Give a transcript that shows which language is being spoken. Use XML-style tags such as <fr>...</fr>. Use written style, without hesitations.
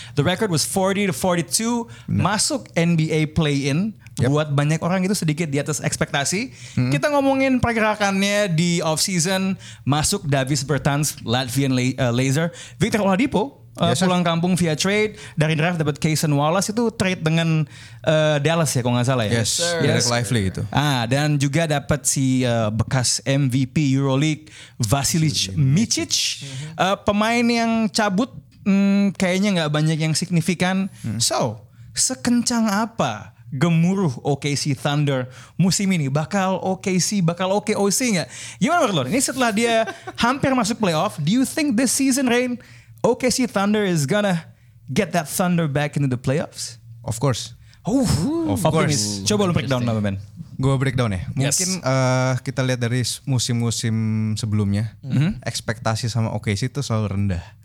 <en>The record was 40-42 masuk NBA play-in. Yep.</en> <id>Buat banyak orang itu sedikit di atas ekspektasi. Hmm. Kita ngomongin pergerakannya di off-season. Masuk Davis Bertans, Latvian Laser. Victor Oladipo pulang kampung via trade. Dari draft dapat Cason Wallace itu trade dengan Dallas ya kalau nggak salah ya.</id> <en>Yes, sir. Derek Lively itu.</en> <id>Ah, dan juga dapat si bekas MVP Euroleague, Vasilij Micic. Pemain yang cabut kayaknya nggak banyak yang signifikan. Hmm. So, sekencang apa gemuruh OKC Thunder musim ini? Bakal OKC, bakal OKOC gak? Gimana menurut lo? Ini setelah dia hampir masuk playoff,</id> <en>do you think this season, Rain, OKC Thunder is gonna get that Thunder back into the playoffs? Of course.</en> <id>Of course. Coba lo breakdown apa, man? Gue breakdown ya. Mungkin kita lihat dari musim-musim sebelumnya, ekspektasi sama OKC itu selalu rendah.</id>